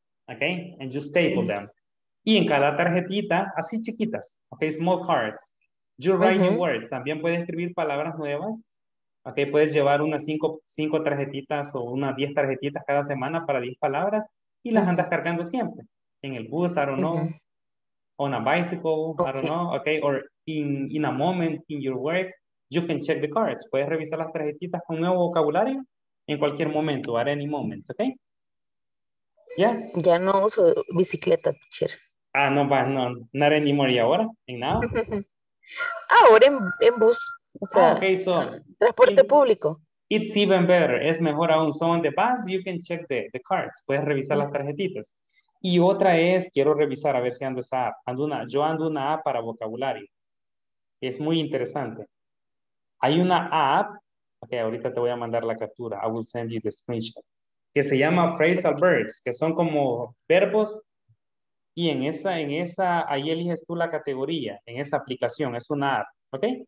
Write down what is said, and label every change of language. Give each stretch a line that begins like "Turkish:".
English: Okay? And you staple them.
Spanish: Y en cada tarjetita, así chiquitas.
English: Okay, small cards. You write new words.
Spanish: También puedes escribir palabras nuevas. Okay, puedes llevar unas 5 tarjetitas o unas 10 tarjetitas cada semana para 10 palabras y las andas cargando siempre. En el bus,
English: I don't know. On a bicycle, okay. I don't know. Okay, or in a moment in your work, you can check the cards.
Spanish: Puedes revisar las tarjetitas con nuevo vocabulario en cualquier momento,
English: at any moment,
Spanish: okay?
English: Yeah?
Spanish: Ya no uso bicicleta, teacher.
English: Ah, no, but no, not anymore.
Spanish: ¿Y ahora? ¿En nada? Ahora en bus. O sea, ah,
English: okay, so.
Spanish: Transporte público.
English: It's even better.
Spanish: Es mejor aún.
English: So on the bus, you can check the cards.
Spanish: Puedes revisar las tarjetitas. Y otra es, quiero revisar a ver si ando esa app. Yo ando una app para vocabulario. Es muy interesante. Hay una app, ok, ahorita te voy a mandar la captura,
English: I will send you the screenshot,
Spanish: que se llama phrasal verbs, que son como verbos, y en esa, ahí eliges tú la categoría, en esa aplicación, es una app, ok?